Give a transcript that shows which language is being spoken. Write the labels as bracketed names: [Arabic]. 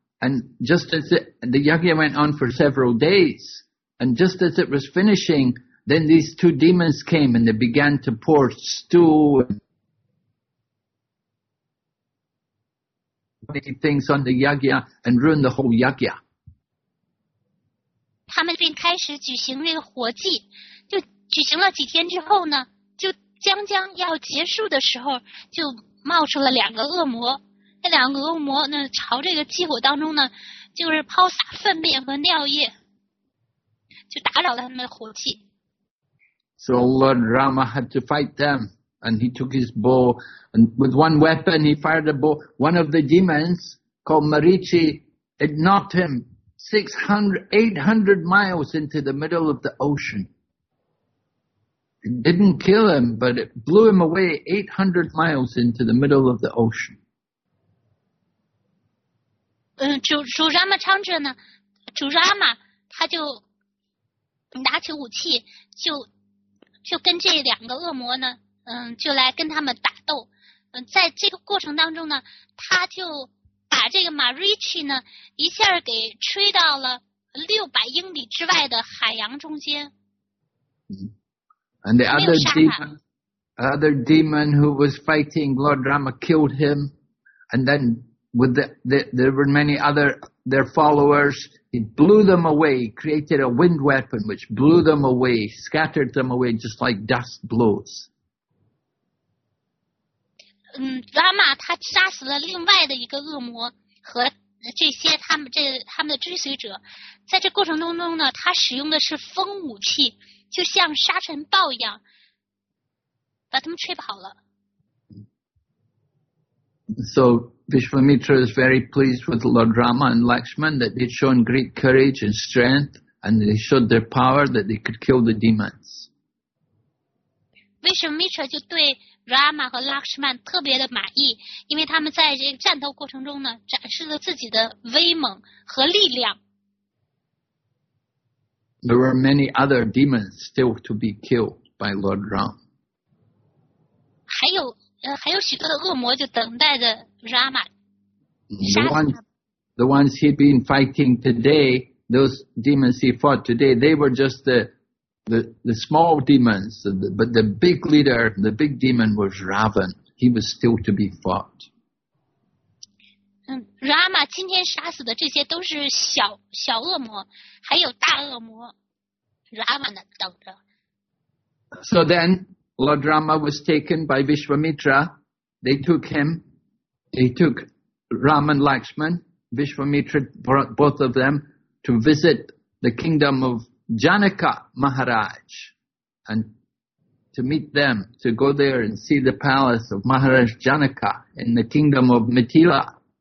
[English] And just as the yagya went on for several days, and just as it was finishing, then these two demons came and they began to pour stew and making things on the yagya and ruin the whole yagya. [Chinese] 他们便开始举行那个火祭，就举行了几天之后呢，就将将要结束的时候，就冒出了两个恶魔。这两个恶魔呢，朝这个祭火当中呢，就是抛洒粪便和尿液，就打扰了他们的火气。 [English] So Lord Rama had to fight them, and he took his bow, and with one weapon he fired a bow. One of the demons called Marichi, it knocked him 800 miles into the middle of the ocean. It didn't kill him, but it blew him away 800 miles into the middle of the ocean. [Chinese] 主 Rama Chandra 呢，主 Rama 他就拿起武器，就跟这两个恶魔呢，就来跟他们打斗。在这个过程当中呢，他就把这个 Marichi 呢一下给吹到了600英里之外的海洋中间。 [English] And the other demon who was fighting Lord Rama killed him, and then. With there were many other their followers. He blew them away. He created a wind weapon which blew them away, scattered them away, just like dust blows. [Chinese] Rama, 他杀死了另外的一个恶魔和这些他们的追随者。在这过程当中呢，他使用的是风武器，就像沙尘暴一样，把他们吹跑了。 [English] So. Vishwamitra is very pleased with Lord Rama and Lakshman that they'd shown great courage and strength and they showed their power that they could kill the demons. [Chinese] Vishwamitra 就对 Rama 和 Lakshman 特别的满意，因为他们在这个战斗过程中呢，展示了自己的威猛和力量。 [English] There were many other demons still to be killed by Lord Rama. [Chinese] 还有许多的恶魔就等待着 Rama 杀死他。 [English] The ones he'd been fighting today, those demons he fought today, they were just the small demons. But the big leader, the big demon was Ravan. He was still to be fought. [Chinese] Rama 今天杀死的这些都是小小恶魔，还有大恶魔。 Rama 呢，等着。 [English] So then, Lord Rama was taken by Vishwamitra. They took him. They took Rama and Lakshman. Vishwamitra brought both of them to visit the kingdom of Janaka Maharaj and to meet them, to go there and see the palace of Maharaj Janaka in the kingdom of Mithila.